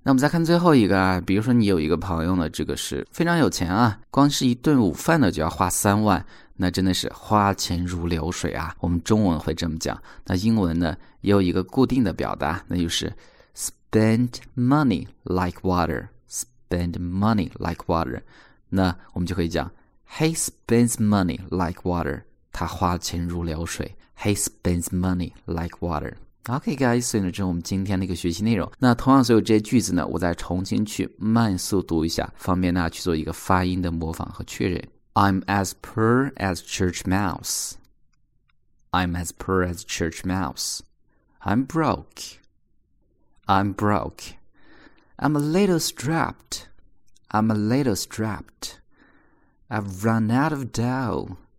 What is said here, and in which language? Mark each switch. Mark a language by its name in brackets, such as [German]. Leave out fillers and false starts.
[Chinese] 那我们再看最后一个啊，比如说你有一个朋友呢，这个是非常有钱啊，光是一顿午饭呢就要花三万，那真的是花钱如流水啊，我们中文会这么讲。那英文呢也有一个固定的表达，那就是 [English] spend money like water, spend money like water. [Chinese] 那我们就可以讲 [English] He spends money like water. [Chinese] 他花钱如流水。 [English] He spends money like water. Okay, guys, [Chinese] 所以呢，这是我们今天的一个学习内容。那同样所有这些句子呢，我再重新去慢速读一下，方便大家去做一个发音的模仿和确认。 [English] I'm as poor as church mouse. I'm as poor as church mouse. I'm broke. I'm broke. I'm a little strapped. I'm a little strapped. I've run out of dough.